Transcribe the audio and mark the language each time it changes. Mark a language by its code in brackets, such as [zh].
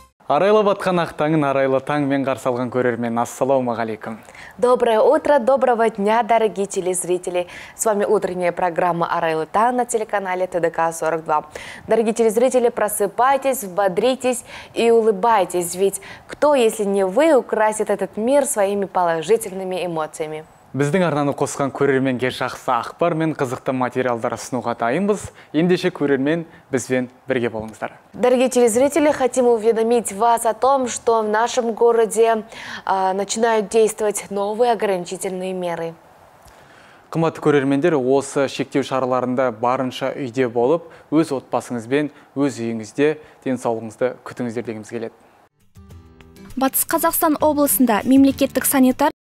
[kk] Арайлап атқан ақ таңын арайлы таңмен қарсы алған көрермен, ассалаумағалейкум. [ru] Доброе утро, доброго дня, дорогие телезрители. С вами утренняя программа «Арайлы таң» на телеканале ТДК-42. Дорогие телезрители, просыпайтесь, бодритесь и улыбайтесь, ведь кто, если не вы, украсит этот мир своими положительными эмоциями? [kk] Біздің арнаны қосқан көрерменге жақсы ақпар мен қызықты материалдар ұсынуға дайынбыз. Ендеше көрермен бізбен бірге болыңыздар. [ru] Дорогие телезрители, хотим уведомить вас о том, что в нашем городе начинают действовать новые ограничительные меры. [kk] Қымбатты көрермендер, осы шектеу шараларында барынша үйде болып, өз отбасыңызбен, өз үйіңізде денсаулығыңызды күтіңіздер дегіміз келеді. Батыс Қазақстан облысында мемлекеттік санитар